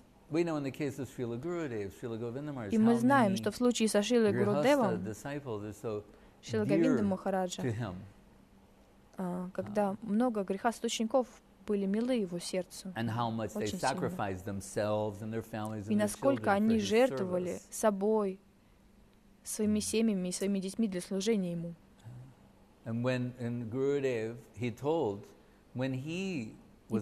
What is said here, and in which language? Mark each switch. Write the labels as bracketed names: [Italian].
[English] We know in the case of Srila Gurudev, Srila Govindamaraj, how many Srila Gurudeva disciples are so dear to him. [Russian] Когда много грехаст учеников были милы его сердцу. [English] And how much they sacrificed themselves and their families and their children for his service. [Russian] И насколько они жертвовали собой, своими семьями и своими детьми для служения ему. [English] And when in Gurudev, he told, when he was